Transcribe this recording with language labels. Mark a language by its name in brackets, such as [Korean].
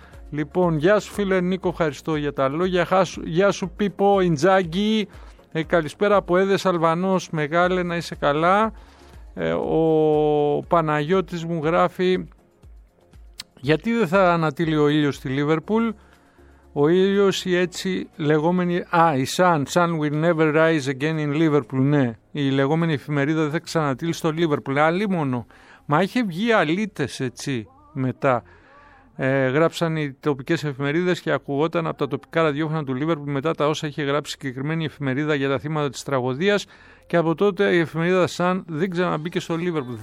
[Greek] Λοιπόν, γεια σου φίλε Νίκο, ευχαριστώ για τα λόγια. Γεια σου Πίπο Ιντζάγκη, καλησπέρα από Έδες Αλβανός. Μεγάλε, να είσαι καλά. Ο Παναγιώτης μου γράφει, γιατί δεν θα ανατείλει ο ήλιος στη Λίβερπουλ. Ο ήλιος ή έτσι λεγόμενη... [English] Α, η Sun will never rise again in Liverpool, ναι. [Greek] Η λεγόμενη εφημερίδα δεν θα ξανατύλει στο Liverpool. Άλλη μόνο. Μα είχε βγει αλήτες έτσι μετά. Γράψαν οι τοπικές εφημερίδες και ακουγόταν από τα τοπικά ραδιόφωνα του Liverpool μετά τα όσα είχε γράψει συγκεκριμένη εφημερίδα για τα θύματα της τραγωδίας και από τότε η εφημερίδα Sun δεν ξαναμπήκε στο Liverpool.